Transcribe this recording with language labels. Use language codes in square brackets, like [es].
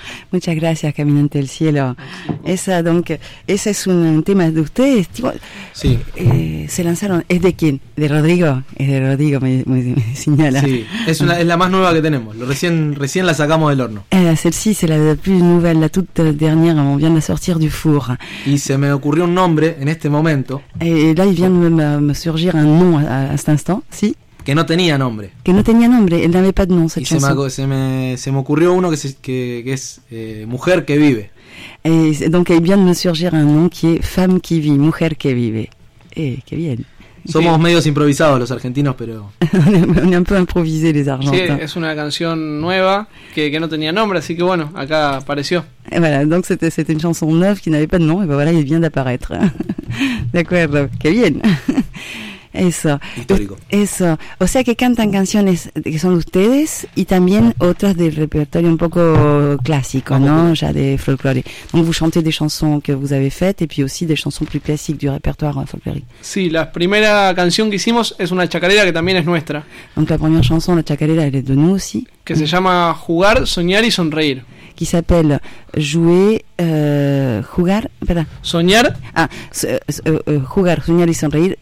[es] Muchas gracias, Caminante del Cielo. Esa es un tema de ustedes. Tipo, sí. Se lanzaron. ¿Es de quién? ¿De Rodrigo? Es de Rodrigo, me señala. Sí, es la más nueva que tenemos. Recién la sacamos del horno. [fr] Celle-ci, c'est la plus nouvelle, la toute dernière. On vient de la sortir du four. [es] Y se me ocurrió un nombre en este momento. [fr] Et là, il vient de me surgir un nom à cet instant. [es] Sí. Que no tenía nombre. Que no tenía nombre, [fr] él n'avait pas de nom, cette chanson. [es] Y se me ocurrió uno que es Mujer que vive. [fr] Et donc, il vient de me surgir un nom qui est Femme qui vit, Mujer que vive. [es] Qué bien. Somos medios improvisados los argentinos, pero... [fr] On est un peu improvisés les argentins. [es] Sí, es una canción nueva que no tenía nombre, así que bueno, acá apareció. [fr] Et voilà, donc c'était une chanson neuve qui n'avait pas de nom, et ben voilà, il vient d'apparaître. [es] D'accord, qué bien. Eso. Histórico. Eso. O sea que cantan canciones que son de ustedes y también otras del repertorio un poco clásico, ¿no? Ya de folclore. [fr] Donc vous chantez des chansons que vous avez faites et puis aussi des chansons plus classiques du répertoire folklorique. [es] Sí, la primera canción que hicimos es una chacarera que también es nuestra. [fr] Donc la première chanson, la chacarera, elle est de nous aussi. [es] Que se llama Jugar, Soñar y Sonreír. [fr] Qui s'appelle Jouer, [es] jugar, perdón. Soñar. Ah, jugar, soñar y sonreír.